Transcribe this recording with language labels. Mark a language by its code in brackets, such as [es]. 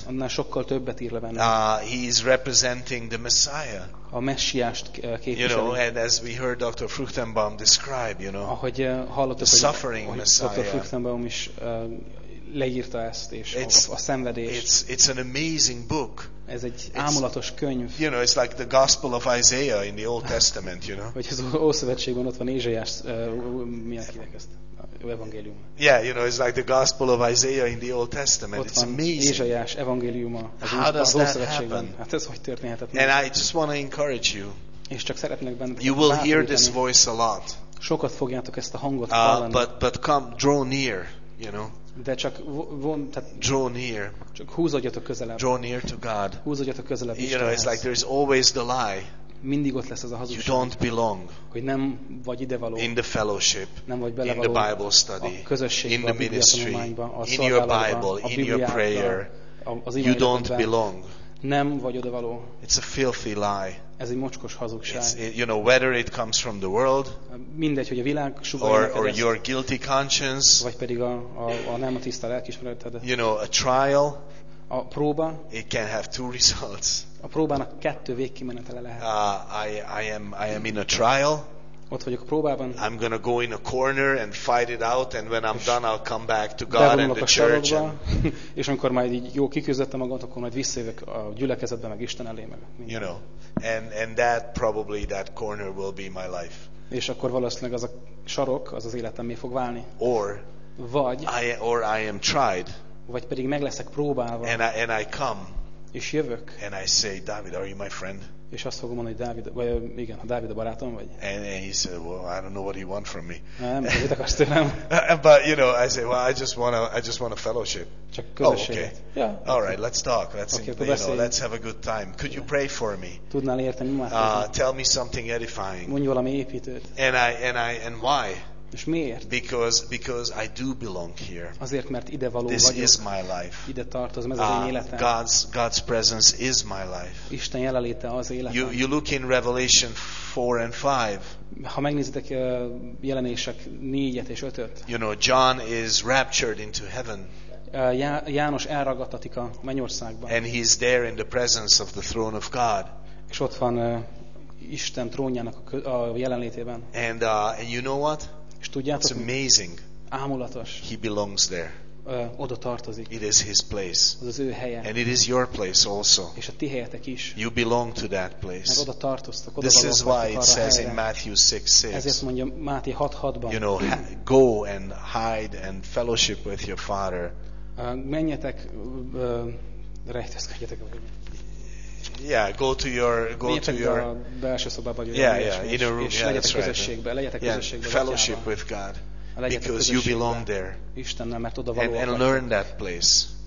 [hu] Annál sokkal többet ír le benne. [en] He is representing the Messiah. [hu] A Messiást képviseli. [en] You know, and as we heard Dr. Fruchtenbaum describe, you know, [hu] ahogy hallottuk, [en] the suffering Messiah. Dr. [hu] Fruchtenbaum is leírta ezt, és a szenvedést. [en] It's an amazing book. [hu] Ez egy ámulatos könyv. [en] You know, it's like the Gospel of Isaiah in the Old Testament, you know. [hu] Hogy az Ószövetségben ott van Ézsaiás, mi a kinek ezt? Evangélium. [en] Yeah, you know, it's like the Gospel of Isaiah in the Old Testament. [hu] Ott van [en] it's amazing. [hu] Ézsaiás evangéliuma az Ószövetségben. Hát ez hogy történhetett? [en] And I just want to encourage you. [hu] És csak szeretnék benneteket. [en] You will hear this voice a lot. [hu] Sokat fogjátok ezt a hangot hallani. [en] But come, draw near, you know. [hu] De csak [en] draw near. [hu] Csak húzódjatok közelebb. [en] Draw near to God. [hu] Húzódjatok közelebb Istenhez. [en] You know, it's like there is always the lie. [hu] Mindig ott lesz ez a hazugság. [en] You don't belong. [hu] Hogy nem vagy ide való. [en] In the fellowship. [hu] Nem vagy bele való. [en] In the Bible study. [hu] A közösségben, [en] in the ministry. In your Bible, in your prayer. You don't belong. [hu] Nem vagy oda való. [en] It's a filthy lie. [hu] Ez egy mocskos hazugság. [en] You know, whether it comes from the world, [hu] mindegy, hogy a világ [en] or your guilty conscience, [hu] vagy pedig a nem a tiszta lelkismereted. [en] You know, a trial, [hu] a próba, [en] it can have two results. [hu] A próbának kettő végkimenetele lehet. [en] I am in a trial. [hu] Ott vagyok a próbában. [en] I'm gonna go in a corner and fight it out, and when I'm done, I'll come back to God and the church. [hu] És amikor majd így jó kiküzdöttem magamat, akkor majd visszajövök a gyülekezetbe, meg Isten elé, meg [en] minden. You know, and that probably that corner will be my life. [hu] És akkor valószínűleg az a sarok, az az életemé fog válni. [en] Or I am tried. [hu] Vagy pedig meg leszek próbálva. [en] And I come. [hu] És jövök. [en] And I say, David, are you my friend? [hu] És azt fogom mondani, Dávid, vagy igen, ha Dávid a barátom vagy. [en] And he said, well, I don't know what he want from me. [hu] Nem, mit akarsz tőlem? [en] But you know, I say, well, I just want a fellowship. [hu] Csak közösséget. [en] Oh, okay. Yeah. All right, let's talk. Let's have a good time. Could you pray for me? [hu] Tudnál érteni, imádkozni? [en] Tell me something edifying. [hu] Mondj valami építőt. [en] And why? [hu] És miért? [en] Because I do belong here. [hu] Azért, mert ide való [en] this [hu] vagyok. [en] Is my life. [hu] Ide tartozom, ez az én életem. [en] God's presence is my life. [hu] Isten jelenléte az életem. [en] You look in Revelation 4 and 5. [hu] Ha megnézitek jelenések 4-et és 5-öt. [en] You know, John is raptured into heaven. [hu] János elragadtatik a mennyországba. [en] And he's there in the presence of the throne of God. [hu] És ott van Isten trónjának a jelenlétében. [en] And you know what? [hu] És tudjátok, [en] it's amazing. [hu] Ámulatos. [en] He belongs there. [hu] Oda tartozik. [en] It is his place. [hu] Az az ő helye. [en] And it is your place also. [hu] És a ti helyetek is. [en] You belong to that place. [hu] Mert oda tartoztok, oda [en] this is why it says in Matthew 6:6. [hu] Ezért mondja Máté 6:6-ban. [en] You know, go and hide and fellowship with your father. [hu] Menjetek, rejtőzködjetek. [en] Yeah, go to your [hu] belső szobába, [en] yeah, inner room, [hu] és [en] yeah, [hu] legyetek Közösségbe, legyetek, [en] yeah, [hu] közösségbe, [en] fellowship with God, because you belong there. [hu] Istennel, mert oda való. [en] And learn that place.